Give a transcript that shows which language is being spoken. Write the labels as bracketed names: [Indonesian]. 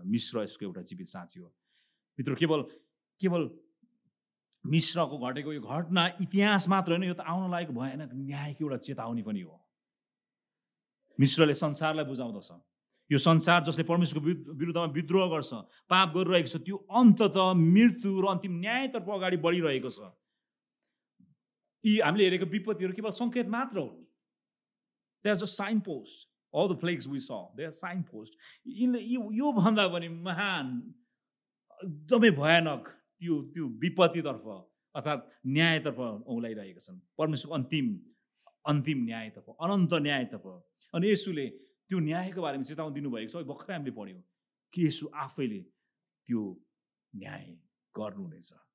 [Nepali] मिश्र यसको एउटा जीवित साँची हो मित्र। केवल मिश्रको घटेको यो घटना इतिहास मात्र होइन, यो त आउन लायक भएन, न्यायको एउटा चेतावनी पनि हो। मिश्रले संसारलाई बुझाउँदछ, यो संसार जसले परमेश्वरको विरुद्धमा विद्रोह गर्छ, पाप गरिरहेको छ, त्यो अन्तत मृत्यु र अन्तिम न्यायतर्फ अगाडि बढिरहेको छ। यी हामीले हेरेको विपत्तिहरू केवल सङ्केत मात्र हो। [English] They are just sign post, all the flex वी स, they are sign post. [Nepali] योभन्दा पनि महान, एकदमै भयानक त्यो त्यो विपत्तितर्फ अर्थात् न्यायतर्फ औलाइरहेका छन्। परमेश्वरको अन्तिम न्यायतर्फ, अनन्त न्यायतर्फ। अनि येसुले त्यो न्यायको बारेमा चेतावनी दिनुभएको छ। अब भर्खरै हामीले पढ्यौँ कि येसु आफैले त्यो न्याय गर्नुहुनेछ।